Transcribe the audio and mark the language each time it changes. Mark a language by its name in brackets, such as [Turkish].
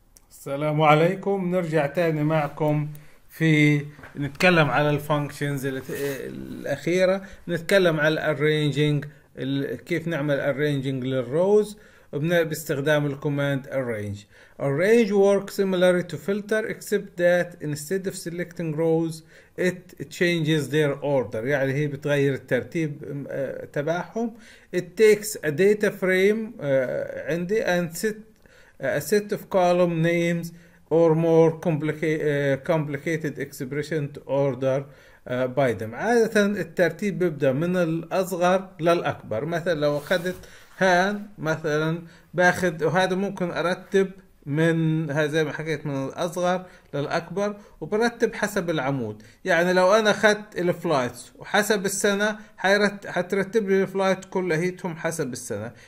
[Arabic] السلام عليكم، نرجع تاني معكم في نتكلم على الفانكشنز الأخيرة، نتكلم على الارينجينج، كيف نعمل ارينجينج للروز باستخدام الكوماند arrange. [English] arrange works similarly to filter except that instead of selecting rows it changes their order، [Arabic] يعني هي بتغير الترتيب تبعهم. [English] it takes a data frame عندي and set a set of column names or more complicated expression to order by them. [Arabic] عادة الترتيب بيبدأ من الأصغر للأكبر. مثلا لو أخذت هان مثلا باخذ، وهذا ممكن أرتب من زي ما حكيت من الأصغر للأكبر، وبرتب حسب العمود. يعني لو أنا أخذت الفلايتس وحسب السنة حترتب لي الفلايت كلها هيتهم حسب السنة.